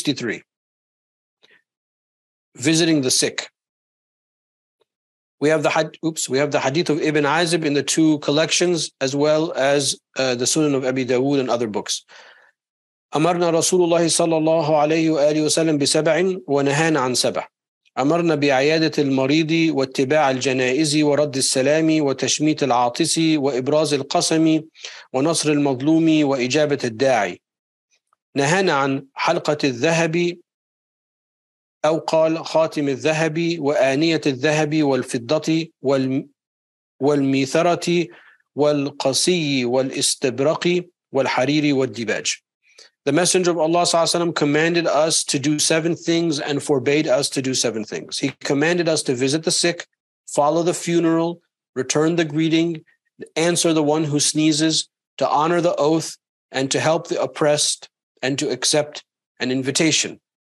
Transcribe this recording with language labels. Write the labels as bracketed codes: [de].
[en] 63. Visiting the sick. We have the hadith of Ibn Azib in the two collections, as well as the Sunan of Abi Dawood and other books. [ar] أمرنا رسول الله صلى الله عليه وآله وسلم بسبع ونهانا عن سبع. أمرنا بعيادة المريض واتباع الجنائز ورد السلام وتشميت العاطس وإبراز القسم ونصر المظلوم وإجابة الداعي. نهانا عن حلقة الذهب أو قال خاتم الذهب وآنية الذهب والفضة والميثرة والقصي والاستبرق والحرير والدباج. [en] The Messenger of Allah صلى الله عليه وسلم commanded us to do seven things and forbade us to do seven things. He commanded us to visit the sick, follow the funeral, return the greeting, answer the one who sneezes, to honor the oath, and to help the oppressed, and to accept an invitation.